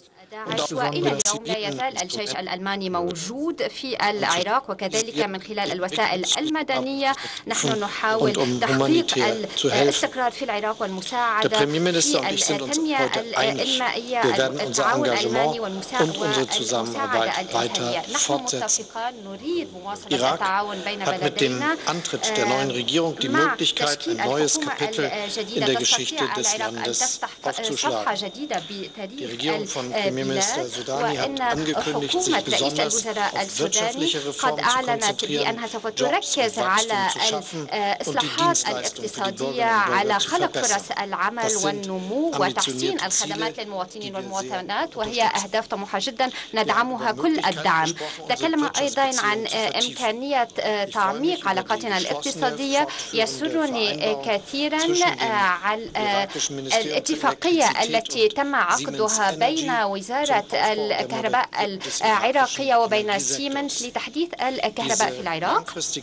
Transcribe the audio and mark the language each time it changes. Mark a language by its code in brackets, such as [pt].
[ar] داعش وإلى اليوم لا يزال الجيش الألماني موجود في العراق، وكذلك من خلال الوسائل المدنية نحن نحاول تحقيق الاستقرار في العراق والمساعدة في التنمية المائية، التعاون الألماني والمساعدة الألمانية. نحن متفقان، نريد مواصلة التعاون [de] hat mit dem Antritt der neuen Regierung die Möglichkeit, ein neues Kapitel in der Geschichte des Landes aufzuschlagen. Die Regierung von Premierminister Sudani hat angekündigt, sich besonders auf wirtschaftliche Reformen zu konzentrieren, Jobs und Wachstum zu schaffen und die Dienstleistungen für die Bürgerinnen und Bürger zu verbessern. Das sind ambitionierte Ziele, die wir sehr unterstützen. [ar] وهي أهداف طموحة جدا ندعمها كل الدعم. تكلم أيضا عن إمكانية تعميق علاقاتنا الاقتصادية. يسرني كثيرا على الاتفاقية التي تم عقدها بين وزارة الكهرباء العراقية وبين سيمنز لتحديث الكهرباء في العراق.